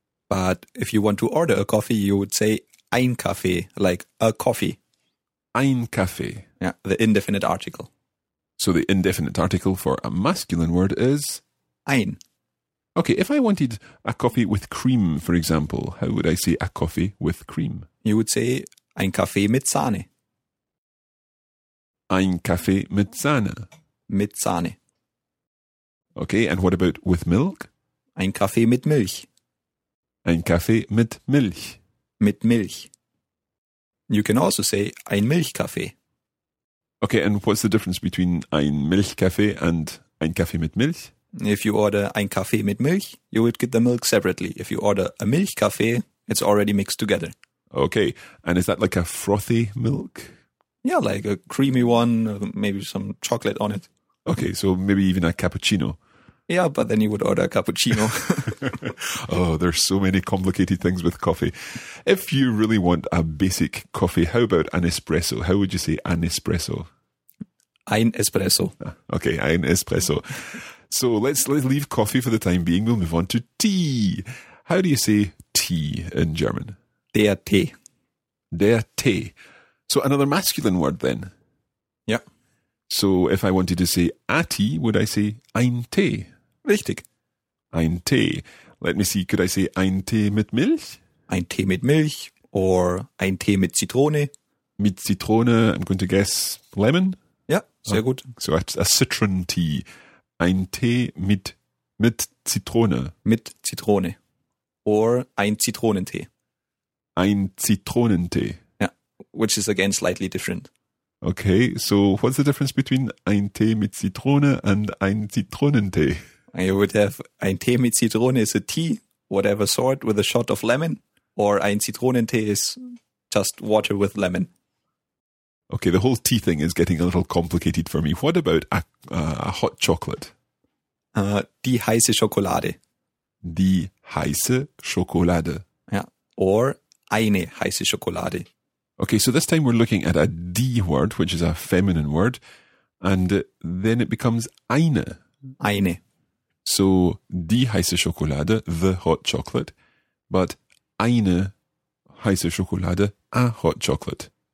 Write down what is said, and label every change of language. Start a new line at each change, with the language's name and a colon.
English: But if you want to order a coffee, you would say
German: ein Kaffee,
English: like a coffee.
German: Ein Kaffee.
English: Yeah, the indefinite article. So, the indefinite article for a masculine word is
German: ein.
English: Okay, if I wanted a coffee with cream, for example, how would I say a coffee with cream? You would say
German: ein Kaffee mit Sahne. Ein Kaffee mit Sahne. Mit Sahne.
English: Okay, and what about with milk?
German: Ein Kaffee mit Milch. Ein Kaffee mit Milch. Mit Milch.
English: You can also say
German: ein Milchkaffee.
English: Okay, and what's the difference between
German: ein Milchkaffee
English: and
German: ein Kaffee mit Milch?
English: If you order
German: ein Kaffee mit Milch,
English: you would get the milk separately. If you order a Milchkaffee, it's already mixed together. Okay, and is that like a frothy milk? Yeah, like a creamy one, maybe some chocolate on it. Okay, so maybe even a cappuccino. Yeah, but then you would order a cappuccino. Oh, there's so many complicated things with coffee. If you really want a basic coffee, how about an espresso? How would you say an espresso?
German: Ein espresso. Okay, ein espresso.
English: So let's leave coffee for the time being. We'll move on to tea. How do you say tea in German?
German: Der Tee. Der Tee.
English: So another masculine word then. Yeah. So if I wanted to say a tea, would I say
German: ein Tee? Richtig. Ein Tee.
English: Let me see, could I say
German: ein Tee mit Milch? Ein Tee mit Milch or ein Tee mit Zitrone. Mit Zitrone,
English: I'm going to guess lemon?
German: Yeah, sehr gut.
English: So a citron tea.
German: Ein Tee mit Zitrone. Mit Zitrone. Or ein Zitronentee. Ein Zitronentee.
English: Which is again slightly different. Okay, so what's the difference between
German: ein Tee mit Zitrone
English: and
German: ein Zitronentee?
English: You would have
German: ein Tee mit Zitrone
English: is a tea, whatever sort, with a shot of lemon, or
German: ein Zitronentee
English: is just water with lemon. Okay, the whole tea thing is getting a little complicated for me. What about a hot chocolate?
German: Die heiße Schokolade. Die heiße Schokolade. Yeah, or eine heiße Schokolade.
English: Okay, so this time we're looking at a die word, which is a feminine word, and then it becomes eine.
German: Eine.
English: So
German: die heiße Schokolade,
English: the hot chocolate, but
German: eine heiße Schokolade,
English: a hot chocolate.